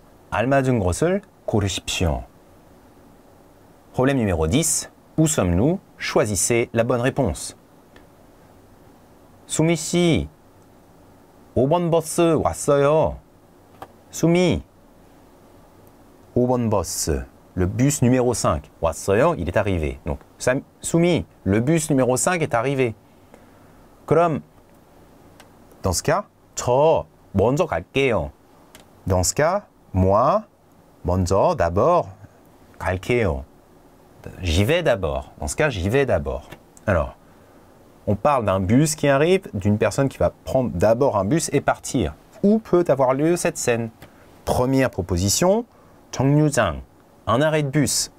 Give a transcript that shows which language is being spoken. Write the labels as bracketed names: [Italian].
[Korean] 알맞은 곳을 고르십시오. [French] Problème numéro 10. Où sommes-nous? Choisissez la bonne réponse. [Korean] 수미 씨, 5번 버스 왔어요. [French] 수미, [Korean] 5번 버스, [French] le bus numéro 5. [Korean] 왔어요, [French] il est arrivé. Donc, 수미, le bus numéro 5 est arrivé. [Korean] 그럼, [French] dans ce cas, [Korean] 저 먼저 갈게요. [French] Dans ce cas, moi, [Korean] 먼저, [French] d'abord, [Korean] 갈게요. [French] J'y vais d'abord. Dans ce cas, j'y vais d'abord. Alors, on parle d'un bus qui arrive, d'une personne qui va prendre d'abord un bus et partir. Où peut avoir lieu cette scène? Première proposition, 정류장, un arrêt de bus.